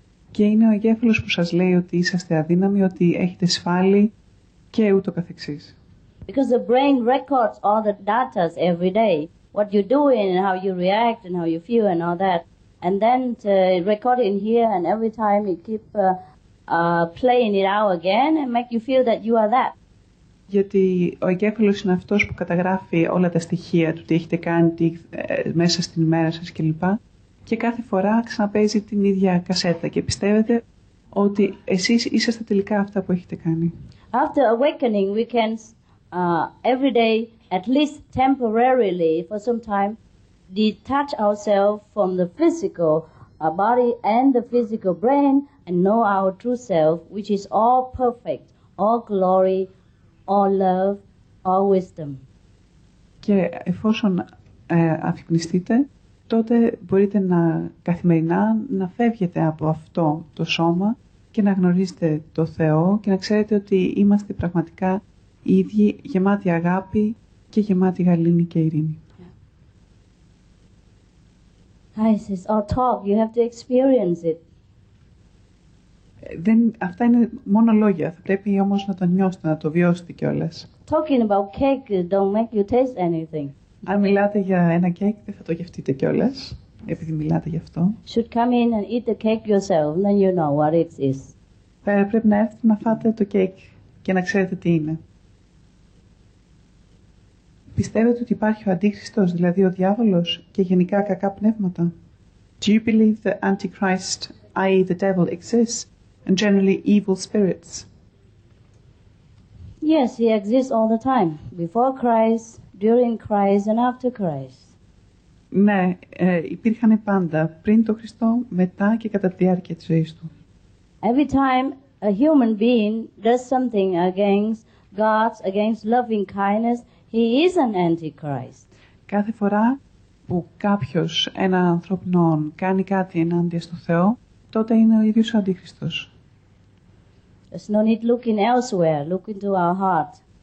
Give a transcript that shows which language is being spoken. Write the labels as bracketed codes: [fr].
[el] Και είναι ο εγκέφαλος που σας λέει ότι είσαστε αδύναμοι, ότι έχετε σφάλη και ούτω καθεξής. [en] Because the brain records all the data every day. What you're doing and how you react and how you feel and all that. And then record it in here and every time it keep playing it out again and make you feel that you are that. [el] Γιατί ο εγκέφαλος είναι αυτός που καταγράφει όλα τα στοιχεία του, τι έχετε κάνει μέσα στην ημέρα σας κλπ. Και κάθε φορά ξαναπαίζει την ίδια κασέτα και πιστεύετε ότι εσείς είσαστε τελικά αυτά που έχετε κάνει. [en] After awakening we can every day at least temporarily for some time detach ourselves from the physical body and the physical brain and know our true self which is all perfect, all glory, all love, all wisdom. [el] Και εφόσον αφυπνιστείτε, τότε μπορείτε να καθημερινά να φεύγετε από αυτό το σώμα και να γνωρίζετε το Θεό και να ξέρετε ότι είμαστε πραγματικά οι ίδιοι γεμάτοι αγάπη και γεμάτοι γαλήνη και ειρήνη. [en] This is all talk. You have to experience it. [el] Αυτά είναι μόνο λόγια. Θα πρέπει όμως να το νιώσετε, να το βιώσετε κιόλας. [en] Talking about cake don't make you taste anything. [el] Αν μιλάτε για ένα κέικ, δεν θα το γευτείτε κιόλας, επειδή μιλάτε γι' αυτό. [en] Should come in and eat the cake yourself, then you know what it is. [el] Πρέπει να έρθετε να φάτε το κέικ και να ξέρετε τι είναι. Πιστεύετε ότι υπάρχει ο Αντίχριστος, δηλαδή ο διάβολος, και γενικά κακά πνεύματα? [en] Do you believe that Antichrist, i.e. the devil, exists, and generally evil spirits? Yes, he exists all the time, before Christ, during Christ and after Christ. [el] Ναι, υπήρχαν πάντα πριν τον Χριστό, μετά και κατά τη διάρκεια της ζωής του. [en] Every time a human being does something against God, against loving kindness, he is an antichrist. [el] Κάθε φορά που κάποιος, ένα ανθρώπινο, κάνει κάτι ενάντια στο Θεό, τότε είναι ο ίδιος ο Αντίχριστος. [en] There's no need looking elsewhere, look into our heart.